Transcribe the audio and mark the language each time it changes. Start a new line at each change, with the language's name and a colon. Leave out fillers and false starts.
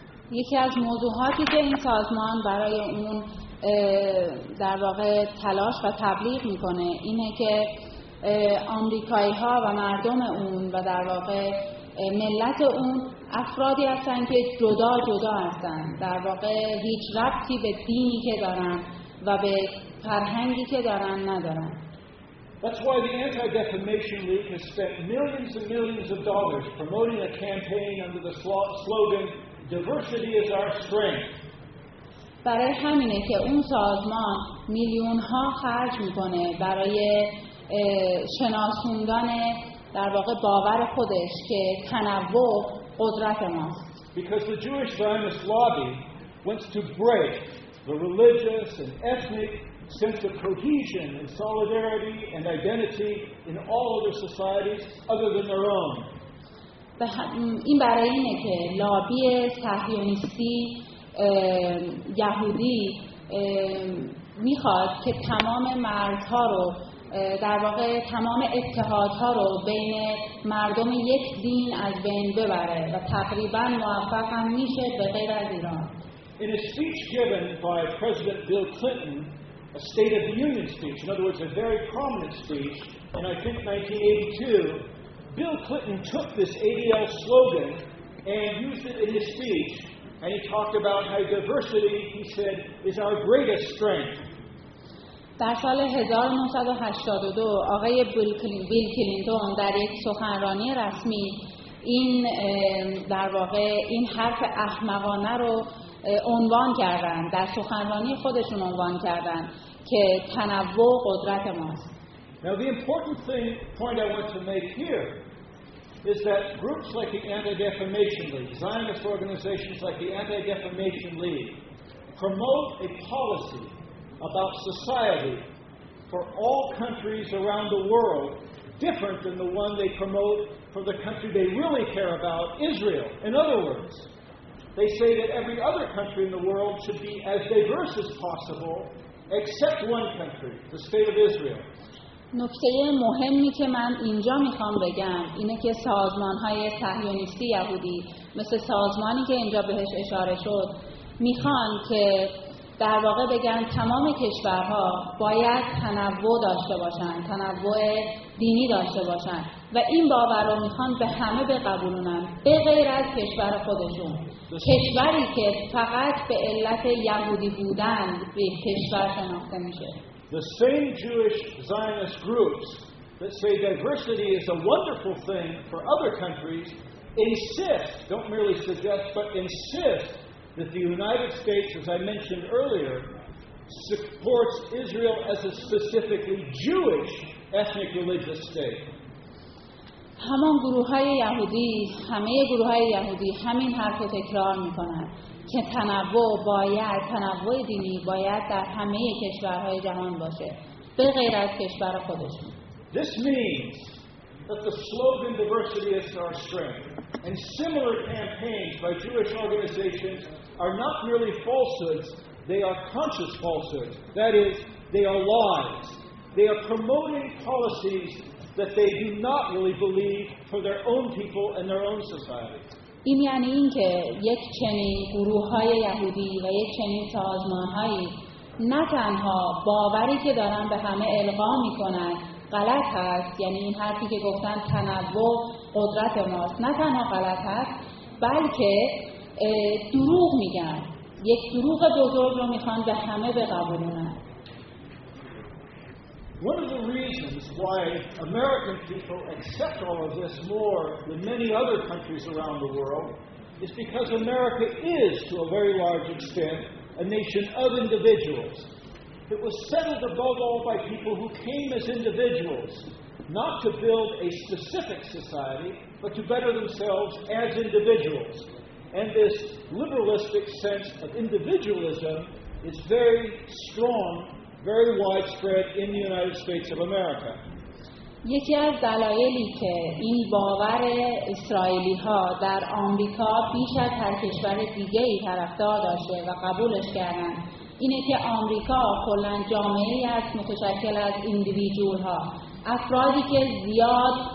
Persian: یکی از موضوعاتی که این سازمان برای اون در واقع تلاش و تبلیغ میکنه اینه که آمریکایی ها و مردم اون و در واقع ملت اون افرادی هستن که جدا جدا هستن، در واقع هیچ ربطی به دینی که دارن و به فرهنگی که دارن ندارن.
English: That's why the Anti-Defamation League has spent millions and millions of dollars promoting a campaign under the slogan "Diversity is our strength."
Persian: برای همینه که اون سازمان میلیون ها خرج میکنه برای شناسوندن در واقع باور خودش که تنوع قدرت ماست.
English: Because the Jewish Zionist lobby wants to break the religious and ethnic sense of cohesion and solidarity and identity in all other societies other than their own.
Persian: این برای اینه که لابی صهیونیستی یهودی میخواد که تمام مردها رو در واقع تمام اتحادها رو بین مردم یک دین از بین ببره و تقریبا موفق هم میشه به غیر از ایران.
English: In a speech given by President Bill Clinton, a State of the Union speech, in other words, a very prominent speech, and I think 1982, Bill Clinton took this ADL slogan and used it in his speech, and he talked about how diversity, he said, is our greatest strength.
Persian: در سال 1982 آقای بیل کلینتون در یک سخنرانی رسمی این در واقع این حرف احمقانه رو عنوان کردن، در سخنرانی خودشون عنوان کردن که تنوع قدرت ماست.
English: Now the important thing, point I want to make here is that groups like the Anti-Defamation League, Zionist organizations like the Anti-Defamation League promote a policy about society for all countries around the world different than the one they promote for the country they really care about, Israel. In other words, they say that every other country in the world should be as diverse as possible except one country, the state of Israel.
Persian: نکته مهمی که من اینجا میخوام بگم اینه که سازمان‌های صهیونیستی یهودی مثل سازمانی که اینجا بهش اشاره شد میخوان که در واقع بگن تمام کشورها باید تنوع داشته باشن، تنوع دینی داشته باشن و این باور رو میخوان به همه بقبولونن به غیر از کشور خودشون، کشوری که فقط به علت یهودی بودن به کشور شناخته میشه.
English: The same Jewish Zionist groups that say diversity is a wonderful thing for other countries insist, don't merely suggest, but insist that the United States, as I mentioned earlier, supports Israel as a specifically Jewish ethnic religious state.
Persian: همان گروه‌های یهودی، همه گروه‌های یهودی همین حرف رو تکرار می‌کنند که تنوع دینی باید در همه کشورهای جهان باشه به غیر از کشور خودشون.
English: This means that the slogan diversity is our strength and similar campaigns by Jewish organizations are not merely falsehoods, they are conscious falsehoods. That is, they are lies. They are promoting policies that they do not really believe for their own people and their own society.
Persian: این یعنی این که یک چنین گروه‌های یهودی و یک چنین سازمان‌هایی نه تنها باوری که دارن به همه القا می‌کنن غلط هست، یعنی این حرفی که گفتن تنوع قدرت ماست نه تنها غلط هست بلکه دروغ میگن، یک دروغ بزرگ رو می‌خوان به همه بقبولونن.
English: One of the reasons why American people accept all of this more than many other countries around the world is because America is, to a very large extent, a nation of individuals. It was settled above all by people who came as individuals, not to build a specific society, but to better themselves as individuals. And this liberalistic sense of individualism is very strong, very widespread in the United States of America.
Persian: یکی از دلایلی که این باور اسرائیلی‌ها در آمریکا بیش از هر کشور دیگه‌ای طرفدار داشته و قبولش کردن اینه که آمریکا کلاً جامعه‌ای است متشکل از ایندیویدوال‌ها، افرادی که زیاد